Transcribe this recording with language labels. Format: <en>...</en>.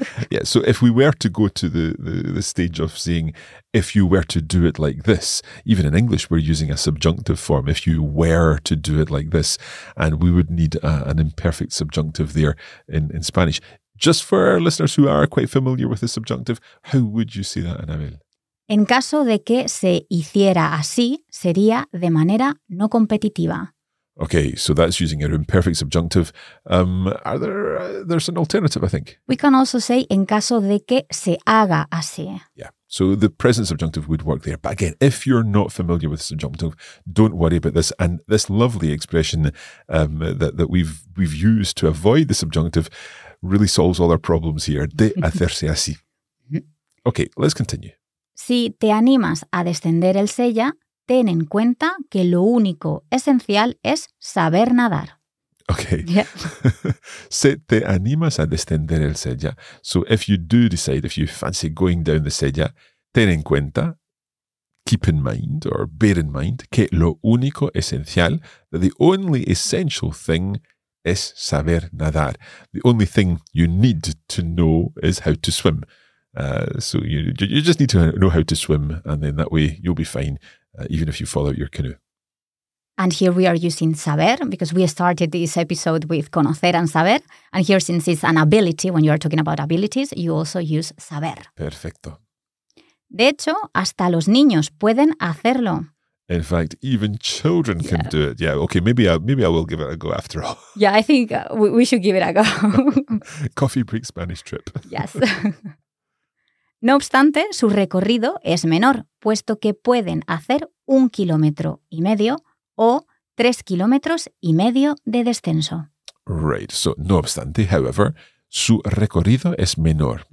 <en>Yeah, so if we were to go to the stage of saying, if you were to do it like this, even in English, we're using a subjunctive form, if you were to do it like this, and we would need an imperfect subjunctive there in Spanish. Just for our listeners who are quite familiar with the subjunctive, how would you say that, Anabel?</en> <es>En caso de que se hiciera así, sería de manera no competitiva.</es> <en>Okay, so that's using an imperfect subjunctive. There's an alternative, I think. We can also say,</en> <es>en caso de que se haga así.</es> <en>Yeah, so the present subjunctive would work there. But again, if you're not familiar with subjunctive, don't worry about this. And this lovely expression that we've used to avoid the subjunctive really solves all our problems here.</en> <es>De hacerse así.</es> <en>Okay, let's continue.</en> <es>Si te animas a descender el Sella, ten en cuenta que lo único esencial es saber nadar.</es> <en>Okay. Yeah.</en> <es>Si te animas a descender el Sella.</es> <en>So if you do decide, if you fancy going down the Sella,</en> <es>ten en cuenta,</es> <en>keep in mind or bear in mind,</en> <es>que lo único esencial,</es> <en>that the only essential thing</en> <es>es saber nadar.</es> <en>The only thing you need to know is how to swim. So you just need to know how to swim, and then that way you'll be fine, even if you fall out your canoe. And here we are using saber, because we started this episode with conocer and saber. And here, since it's an ability, when you are talking about abilities, you also use saber.</en> <es>Perfecto. De hecho, hasta los niños pueden hacerlo.</es> <en>In fact, even children can do it. Yeah, okay, maybe I will give it a go after all. Yeah, I think we should give it a go. Coffee break Spanish trip. Yes.</en> <es>No obstante, su recorrido es menor, puesto que pueden hacer 1.5 kilómetros o 3.5 kilómetros de descenso.</es> <en>Right, so</en> <es>no obstante,</es> <en>however,</en> <es>su recorrido es menor.</es>